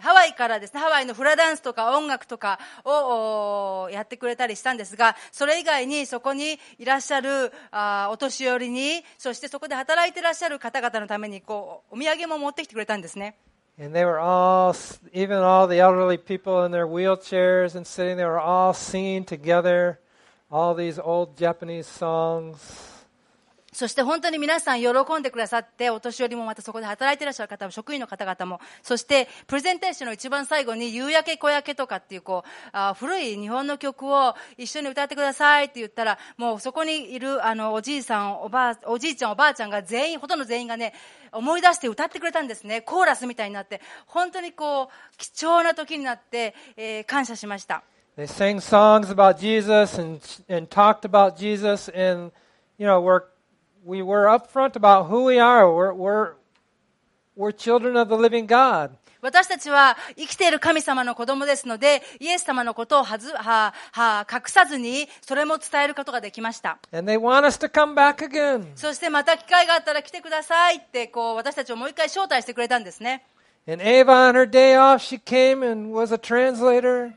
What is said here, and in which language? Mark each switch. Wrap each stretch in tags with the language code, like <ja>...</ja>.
<ja>ハワイからですね、ハワイのフラダンスとか音楽とかをやってくれたりしたんですが、それ以外にそこにいらっしゃるお年寄りに、そしてそこで働いていらっしゃる方々のためにこうお土産も持ってきてくれたんですね。</ja> <en>And they were all, even all the elderly people in their wheelchairs and sitting there, were all singing together all these old Japanese songs.</en> <ja>そして本当に皆さん喜んでくださって、お年寄りもまたそこで働いていらっしゃる方も、職員の方々も、そしてプレゼンテーションの一番最後に夕焼け小焼けとかっていう、こう古い日本の曲を一緒に歌ってくださいって言ったら、もうそこにいるあのおじいさん、おじいちゃん、おばあちゃんが全員、ほとんど全員がね、思い出して歌ってくれたんですね。コーラスみたいになって、本当にこう貴重な時になって、感謝しました。</ja> <en>They sang songs about Jesus and talked about Jesus and you know workWe were upfront about who we are. We're children of the living God.</en> <ja>私たちは生きている神様の子供ですので、イエス様のことをはず、は、は、隠さずにそれも伝えることができました。</ja> <en>And they want us to come back again.</en> <ja>そしてまた機会があったら来てくださいって、こう私たちをもう一回招待してくれたんですね。</ja> <en>And Ava on her day off, she came and was a translator.</en>